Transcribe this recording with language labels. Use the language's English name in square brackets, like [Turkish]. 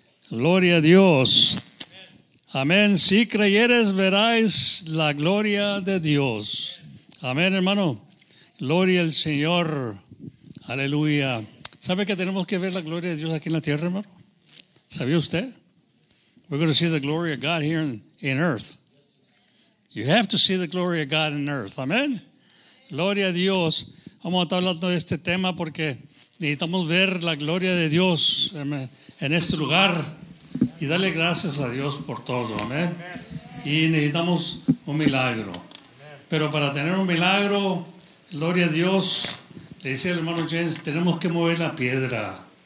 [Spanish] Gloria a Dios. Amén. Si creyeres, veráis la gloria de Dios. Amén, hermano. Gloria al Señor. Aleluya. ¿Sabe que tenemos que ver la gloria de Dios aquí en la tierra, hermano? ¿Sabía usted? [English] We're going to see the glory of God here in earth. You have to see the glory of God in earth. [Spanish] Amén. Gloria a Dios. Vamos a estar hablando de este tema porque necesitamos ver la gloria de Dios en este lugar. Y dale gracias a Dios por todo, amén. Y necesitamos un milagro. Pero para tener un milagro, gloria a Dios, le dice el hermano James, tenemos que mover la piedra.